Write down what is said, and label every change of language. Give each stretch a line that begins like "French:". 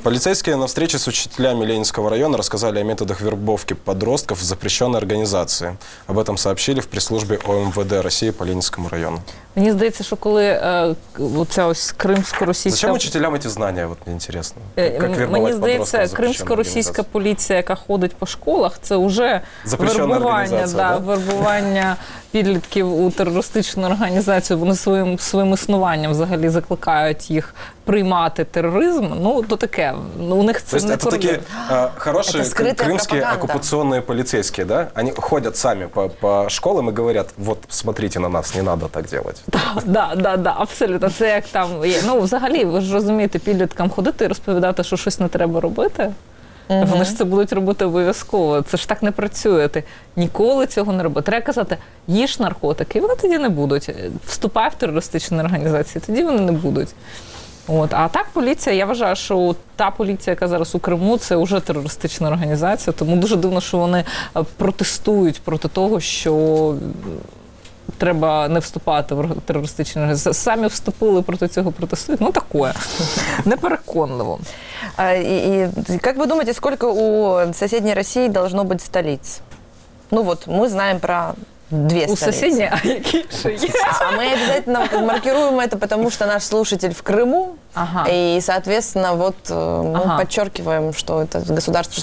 Russian: Полицейские на встрече с учителями Ленинского района рассказали о методах вербовки подростков в запрещенной организации. Об этом сообщили в пресс-службе ОМВД России по Ленинскому району. Мне кажется, что когда вся крымско-российская... Зачем учителям эти знания, вот мне интересно? Как вербовать подростков? Мне кажется, крымско-российская полиция, которая ходит по школах, это уже вербование, да,
Ukrainian: вербование підлітків у терористичну організацію, вони своїм існуванням взагалі закликають їх приймати тероризм, ну, то таке. Ну, у них це не корінь. Це такі хороші кримські окупаційні поліцейські, да? Вони ходять самі по школам і говорять, от,
Russian: смотрите на нас,
Ukrainian: не треба так робити. Да, абсолютно. Це як там є. Ну, взагалі, ви ж розумієте, підліткам ходити і розповідати, що щось не треба робити. Угу. Вони ж це будуть робити обов'язково. Це ж так не працює. Ти ніколи цього не робиш. Треба казати, їж наркотики, і вони тоді не будуть. Вступай в терористичні організації, тоді вони не будуть. От. А так поліція, я вважаю, що та поліція, яка зараз у Криму, це вже терористична організація. Тому дуже дивно, що вони протестують проти того, що треба не вступати в терористичні організації. Самі вступили проти цього протестують. Ну, таке. Непереконливо.
Russian: И как вы думаете, сколько у соседней России должно быть столиц? Ну вот, мы знаем про две столицы. У соседней, а какие же есть? А мы обязательно маркируем это, потому что наш слушатель в Крыму. Ага. И, соответственно, вот мы подчеркиваем, что это государство что?